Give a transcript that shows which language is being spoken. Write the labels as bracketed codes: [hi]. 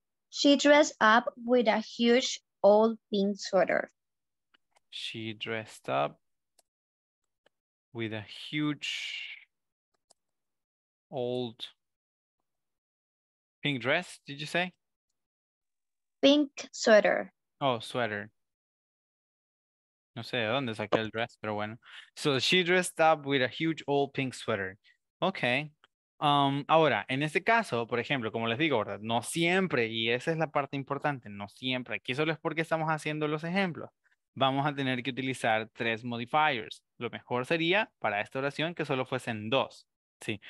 [en] She dressed up with a huge old pink sweater. She dressed up with a huge old pink dress, did you say? Pink sweater. Oh, sweater. [es] No sé de dónde saqué el dress, pero bueno. [en] So she dressed up with a huge old pink sweater. Okay. [es] Ahora, en este caso, por ejemplo, como les digo, ¿verdad? No siempre, y esa es la parte importante, no siempre, aquí solo es porque estamos haciendo los ejemplos, vamos a tener que utilizar tres modifiers. Lo mejor sería, para esta oración, que solo fuesen dos, ¿sí?